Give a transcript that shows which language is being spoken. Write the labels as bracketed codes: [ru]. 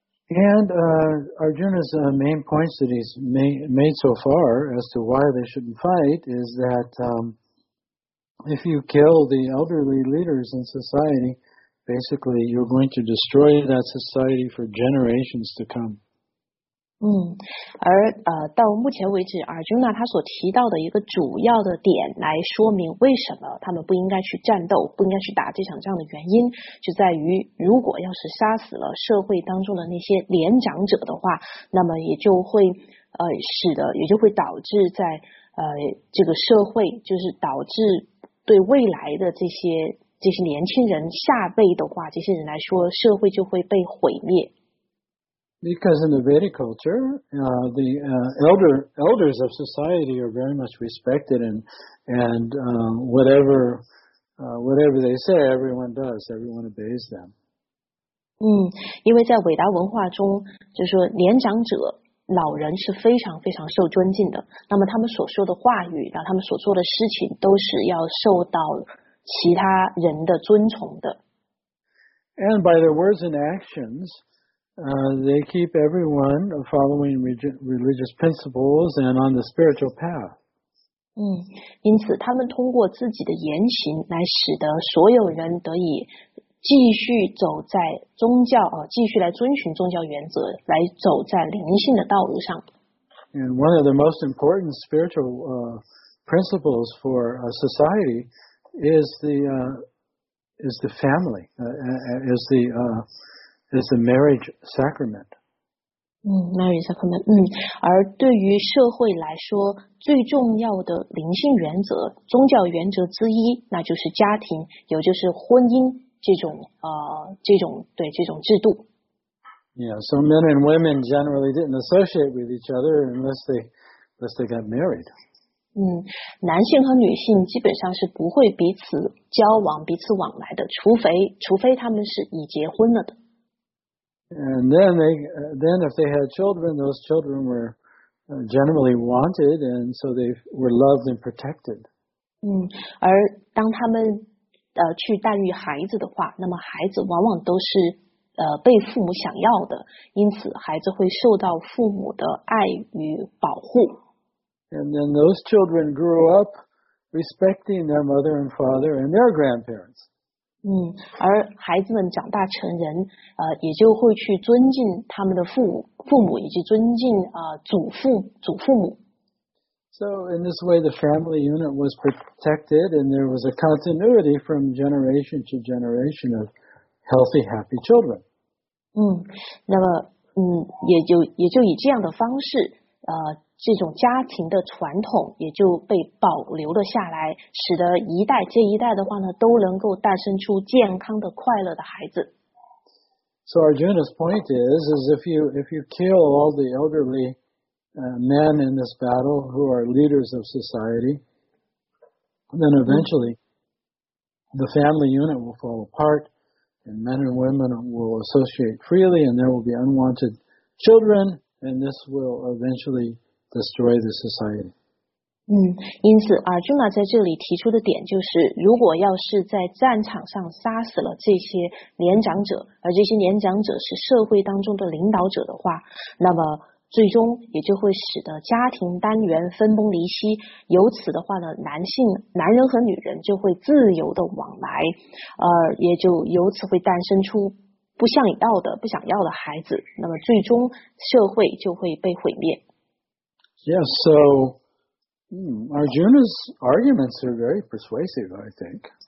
[en] And Arjuna's main points that he's made so far as to why they shouldn't fight is that if you kill the elderly leaders in society, basically you're going to destroy that society for generations to come. [zh] 而到目前为止 ，Arjuna 他所提到的一个主要的点来说明为什么他们不应该去战斗，不应该去打这场仗的原因，就在于如果要是杀死了社会当中的那些年长者的话，那么也就会使得也就会导致在这个社会，就是导致对未来的这些年轻人下辈的话，这些人来说，社会就会被毁灭。 [en] Because in the Vedic culture, the elders of society are very much respected, and whatever they say, everyone does. Everyone obeys them. [zh] 因为在伟达文化中，就是说年长者、老人是非常非常受尊敬的。那么他们所说的话语，然后他们所做的事情，都是要受到其他人的尊崇的。 [en] And by their words and actions, they keep everyone following religious principles and on the spiritual path. [zh] 因此他们通过自己的言行来使得所有人得以继续走在宗教继续来遵循宗教原则来走在灵性的道路上。 [en] And one of the most important spiritual principles for a society is the family, is the marriage sacrament. Marriage sacrament. [zh] 而对于社会来说，最重要的灵性原则、宗教原则之一，那就是家庭，也就是婚姻这种这种制度。 [en] Yeah, so men and women generally didn't associate with each other unless they got married. [zh] 男性和女性基本上是不会彼此交往、彼此往来的，除非他们是已结婚了的。 [en] And then if they had children, those children were generally wanted, and so they were loved and protected. [zh] 而当他们去诞育孩子的话，那么孩子往往都是被父母想要的，因此孩子会受到父母的爱与保护。 [en] And then those children grew up respecting their mother and father and their grandparents. [zh] 而孩子们长大成人，也就会去尊敬他们的父母，以及尊敬祖父母。 [en] So in this way, the family unit was protected, and there was a continuity from generation to generation of healthy, happy children. [zh] 也就以这样的方式，这种家庭的传统也就被保留了下来，使得一代接一代的话呢，都能够诞生出健康的、快乐的孩子。 [en] So Arjuna's point is if you kill all the elderly men in this battle who are leaders of society, then eventually the family unit will fall apart, and men and women will associate freely, and there will be unwanted children, and this will eventually destroy the society. [zh] 因此 Arjuna 在这里提出的点就是，如果要是在战场上杀死了这些年长者，而这些年长者是社会当中的领导者的话，那么最终也就会使得家庭单元分崩离析，由此的话呢，男人和女人就会自由的往来，也就由此会诞生出不想要的孩子，那么最终社会就会被毁灭。 [en] Yes, so Arjuna's arguments are very persuasive, I think.